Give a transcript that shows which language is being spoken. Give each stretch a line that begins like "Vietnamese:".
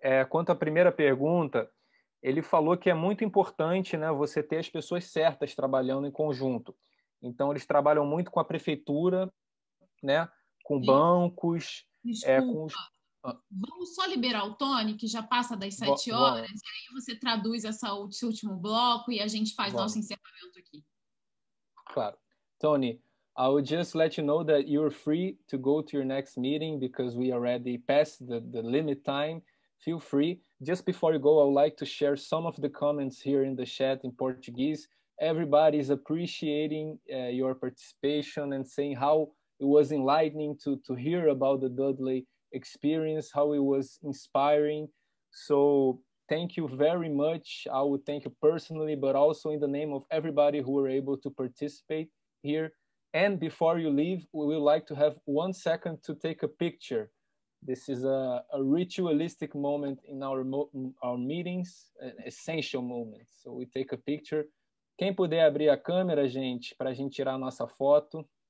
Portuguese: Quanto à primeira pergunta, ele falou que é muito importante, né, você ter as pessoas certas trabalhando em conjunto. Então, eles trabalham muito com a prefeitura, né, com bancos... Vamos só liberar o Tony, que já passa das 7 horas, e aí você traduz esse último bloco e a gente faz nosso encerramento aqui. Claro.
English: Tony, I would just let you know that you're free to go to your next meeting because we already passed the limit time. Feel free. Just before you go, I would like to share some of the comments here in the chat in Portuguese. Everybody is appreciating your participation and saying how it was enlightening to hear about the Dudley experience, how it was inspiring. So thank you very much. I would thank you personally, but also in the name of everybody who were able to participate here. And before you leave, we would like to have 1 second to take a picture. This is a ritualistic moment in our meetings, an essential moment. So we take a picture.
Portuguese: Quem puder abrir a câmera, gente, para a gente tirar a nossa foto.